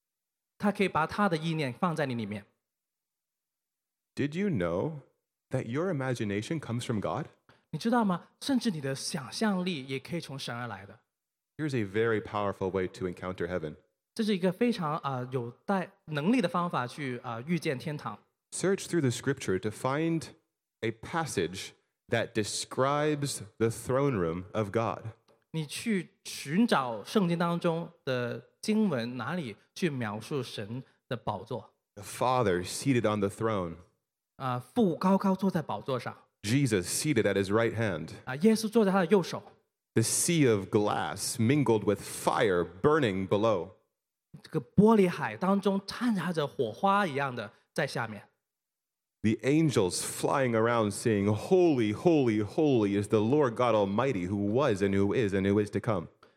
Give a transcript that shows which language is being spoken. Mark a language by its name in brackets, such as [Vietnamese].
[Chinese] 当你把你的想象力都是顺服给神的时候，他可以把他的意念放在你里面。 [English] Did you know that your imagination comes from God? [Chinese] 你知道吗? 甚至你的想象力也可以从神而来的。 [English] Here's a very powerful way to encounter heaven. [Chinese] 这是一个非常有带能力的方法去遇见天堂。 [English] Search through the scripture to find a passage that describes the throne room of God. [Chinese] 你去寻找圣经当中的经文，哪里去描述神的宝座？ [English] The Father seated on the throne. [Chinese] 父高高坐在宝座上。 [English] Jesus seated at his right hand. [Chinese] 耶稣坐在他的右手。 [English] The sea of glass mingled with fire burning below. [Chinese] 这个玻璃海当中掺杂着火花一样的在下面。 [English] The angels flying around saying, Holy, holy, holy is the Lord God Almighty who was and who is and who is to come.